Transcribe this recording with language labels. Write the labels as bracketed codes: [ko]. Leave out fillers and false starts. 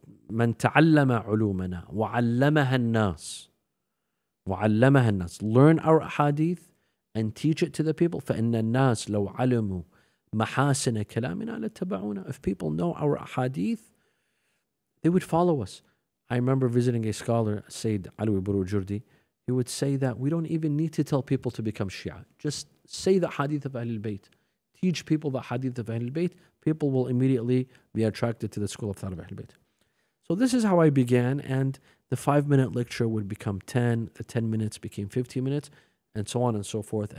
[ar] من تعلم علومنا وعلمها الناس وعلمها الناس. [en] Learn our hadith and teach it to the people. [ar] فإن الناس لو علموا محاسن كلامنا لتبعونا. [en] If people know our hadith, they would follow us. I remember visiting a scholar, Sayyid Alwi Burujurdi. He would say that we don't even need to tell people to become Shia. Just say the hadith of Ahlulbayt. Teach people the hadith of Ahlulbayt. People will immediately be attracted to the school of thought of Ahlulbayt. So this is how I began, and the 5-minute lecture would become 10, the 10 minutes became 15 minutes, and so on and so forth.